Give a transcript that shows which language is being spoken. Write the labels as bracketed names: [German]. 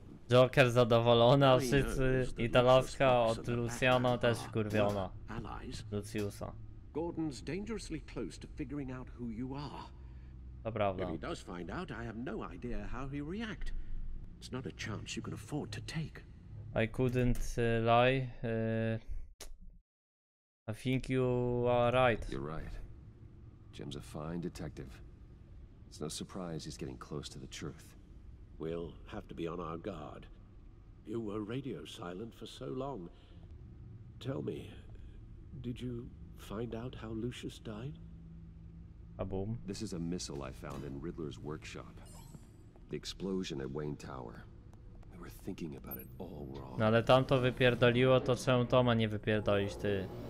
[Polish] Joker zadowolona, wszyscy. I ta laska od Luciana też wkurwiona. Luciusa. [English] Gordon's dangerously close to figuring out who you are. [Polish] To prawda. [English] If he does find out, I have no idea how he react. It's not a chance you can afford to take. I couldn't lie. I think you are right. You're right. Jim's a fine detective. It's no surprise he's getting close to the truth. We'll have to be on our guard. You were radio silent for so long. Tell me, did you find out how Lucius died? A boom. This is a missile I found in Riddler's workshop. The explosion at Wayne Tower. We were thinking about it all wrong. [Polish] No ale tamto wypierdoliło, to czemu Toma nie wypierdolić ty?